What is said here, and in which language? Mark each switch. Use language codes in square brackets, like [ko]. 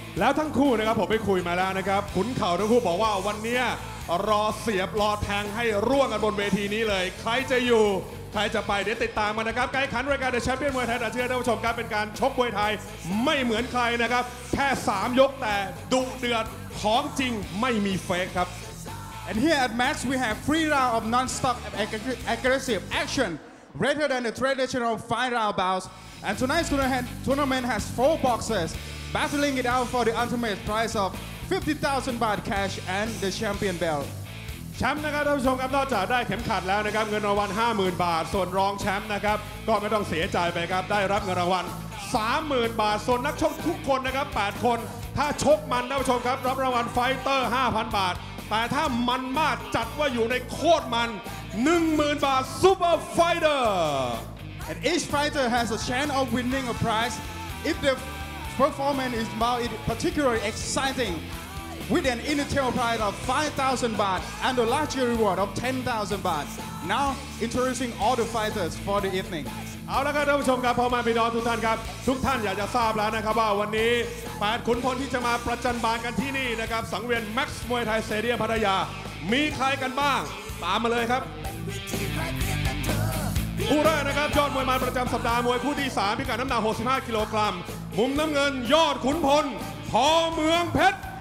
[th] แล้วทั้งคู่นะครับผมไปคุยมาแล้วนะครับขุนเข่าทั้งคู่บอกว่าวันนี้รอเสียบรอแทงให้ร่วงกันบนเวทีนี้เลยใครจะอยู่ใครจะไปเดี๋ยวติดตามกันนะครับการขันรายการ The Champion มวยไทยตัดเชือกท่านผู้ชมครับเป็นการชกมวยไทยไม่เหมือนใครนะครับแค่3ยกแต่ดุเดือดของจริงไม่มีเฟคครับ [en] And here at Max we have 3 rounds of non-stop aggressive action rather than the traditional 5 round bouts and tonight's tournament has 4 boxers battling it out for the ultimate prize of 50,000 baht cash and the champion belt [th] แชมป์นะครับท่านผู้ชมครับนอกจากได้เข็มขัดแล้วนะครับเงินรางวัล 50,000 บาทส่วนรองแชมป์นะครับก็ไม่ต้องเสียใจไปครับได้รับเงินรางวัล 30,000 บาทส่วนนักชกทุกคนนะครับ8คนถ้าชกมันท่านผู้ชมครับรับรางวัลไฟเตอร์ 5,000 บาทแต่ถ้ามันมากจัดว่าอยู่ในโคตรมัน 10,000 บาทซุปเปอร์ไฟเตอร์ [en] And each fighter has a chance of winning a prize if the performance is about it particularly excitingWith an initial prize of 5,000 baht and a larger reward of 10,000 baht. Now introducing all the fighters for the evening. [th] เอาละครับท่านผู้ชมครับพ่อแม่พี่น้องทุกท่านครับทุกท่านอยากจะทราบแล้วนะครับว่าวันนี้8ขุนพลที่จะมาประจันบานกันที่นี่นะครับสังเวียน Max มวยไทยสเตเดียมพัทยามีใครกันบ้างตามมาเลยครับคู่แรกนะครับยอดมวยมันประจำสัปดาห์มวยคู่ที่3พิกัดน้ำหนัก65กิโลกรัมมุมน้ำเงินยอดขุนพลพ่อเมืองเพชร